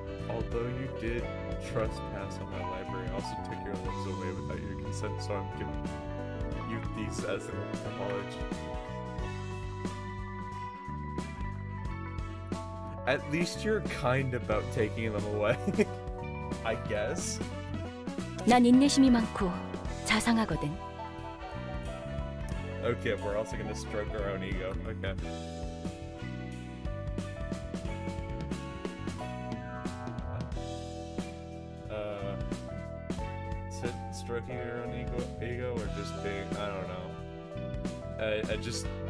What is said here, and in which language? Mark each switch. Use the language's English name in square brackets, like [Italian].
[English] Although you did trespass on my library, I also took your limbs away without your consent, so I'm giving you these as an apology. At least you're kind about taking them away. I guess. [Korean] 난 인내심이 많고 자상하거든. [English] Okay, we're also gonna stroke our own ego. Okay. Is it stroking your own ego or just being, I don't know. I just...